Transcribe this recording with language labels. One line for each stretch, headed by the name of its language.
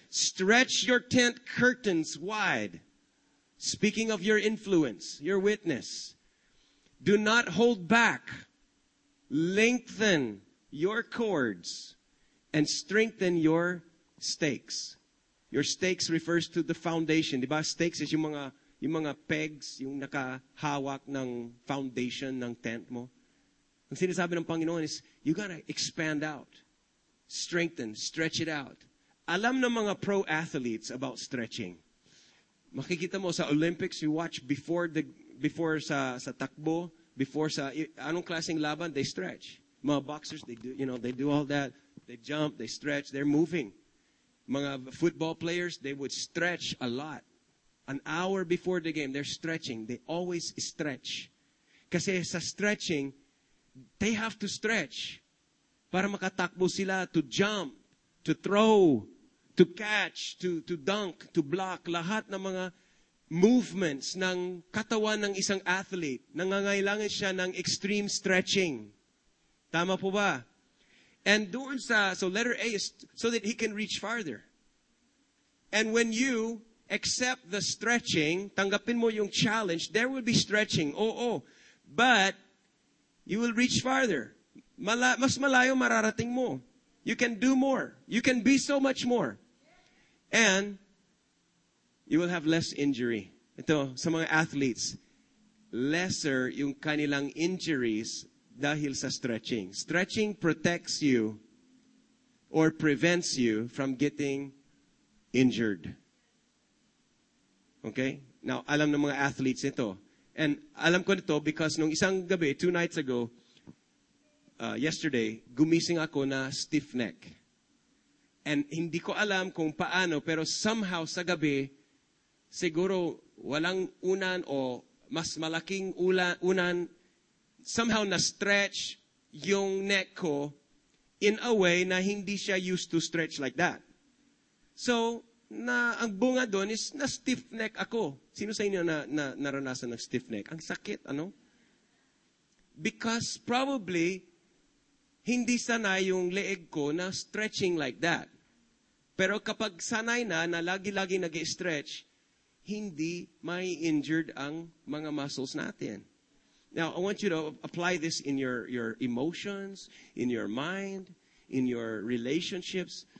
English: Stretch your tent curtains wide. Speaking of your influence, your witness. Do not hold back. Lengthen your cords. And strengthen your stakes. Your stakes refers to the foundation.
Filipino: Diba? Stakes is yung mga pegs, yung nakahawak ng foundation ng tent mo. Ang sinasabi ng Panginoon
English: is, you gotta expand out. Strengthen, stretch it out.
Filipino: Alam ng mga pro athletes about stretching. Makikita mo sa Olympics,
English: you watch before
Filipino: sa takbo, before sa anong klaseng laban,
English: they stretch. Mga boxers, they do all that. They jump, they stretch, they're moving. Mga football players, they would stretch a lot. An hour before the game, they're stretching. They always stretch. Kasi sa stretching, they have to stretch
Filipino: para makatakbo sila
English: to jump, to throw, to catch, to dunk, to block.
Filipino: Lahat ng mga movements ng katawan ng isang athlete, nangangailangan siya ng extreme stretching. Tama po ba?
English: And
Filipino: doon sa,
English: so letter A is so that he can reach farther. And when you accept the stretching,
Filipino: tanggapin mo yung challenge,
English: there will be stretching. Oh. But you will reach farther.
Filipino: Mas malayo mararating mo.
English: You can do more. You can be so much more. And you will have less injury.
Filipino: Ito, sa mga athletes, lesser yung kanilang injuries dahil sa stretching.
English: Stretching protects you or prevents you from getting injured. Okay?
Filipino: Now, alam ng mga athletes ito. And alam ko nito because nung isang gabi,
English: two nights ago, yesterday,
Filipino: gumising ako na stiff neck. And hindi ko alam kung paano, pero somehow sa gabi, siguro walang unan o mas malaking unan, somehow na-stretch yung neck ko in a way na hindi siya
English: used to stretch like that.
Filipino: So, na ang bunga doon is na-stiff neck ako. Sino sa inyo na naranasan ng stiff neck? Ang sakit, ano?
English: Because probably,
Filipino: hindi sanay yung leeg ko na stretching like that. Pero kapag sanay na lagi-lagi nag-stretch, hindi may injured ang mga muscles natin.
English: Now, I want you to apply this in your emotions, in your mind, in your relationships.